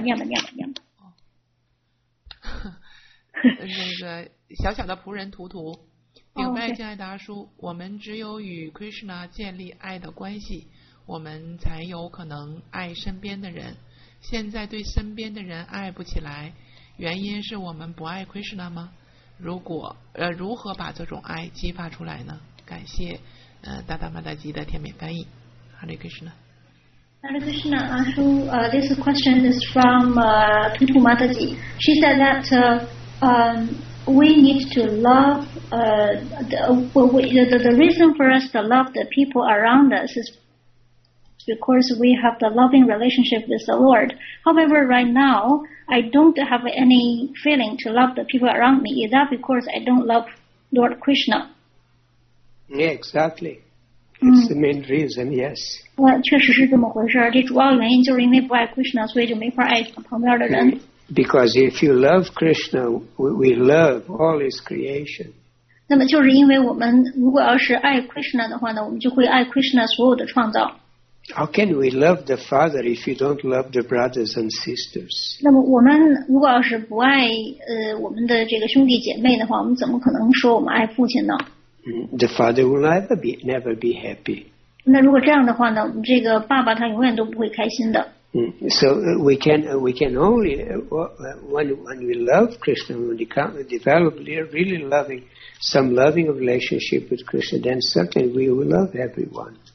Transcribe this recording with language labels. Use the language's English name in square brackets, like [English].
[Chinese] 那个小小的仆人图图，明白，敬爱达叔，我们只有与 Krishna 建立爱的关系，我们才有可能爱身边的人。现在对身边的人爱不起来，原因是我们不爱 Krishna 吗？如何把这种爱激发出来呢？感谢达达玛达吉的甜美翻译。 [Sanskrit] Hare Krishna。 [English] Hare Krishna, Ashu, this question is from Tutu Mataji. She said that we need to love, the reason for us to love the people around us is because we have the loving relationship with the Lord. However, right now, I don't have any feeling to love the people around me. Is that because I don't love Lord Krishna? Yeah, exactly. It's the main reason, yes. [Chinese] 确实是这么回事，这主要原因就是因为不爱 Krishna， 所以就没法爱旁边的人。 [English] Because if you love Krishna, we love all His creation. [Chinese] 那么就是因为我们如果要是爱 Krishna 的话呢，我们就会爱 Krishna 所有的创造。 [English] How can we love the Father if you don't love the brothers and sisters? [Chinese] 那么我们如果要是不爱我们的这个兄弟姐妹的话，我们怎么可能说我们爱父亲呢？ [English] The father will never be happy. [Chinese] 那如果这样的话呢？这个爸爸他永远都不会开心的。 [English] So we can only when we love Krishna, when we come develop really loving some loving relationship with Krishna, then certainly we will love everyone.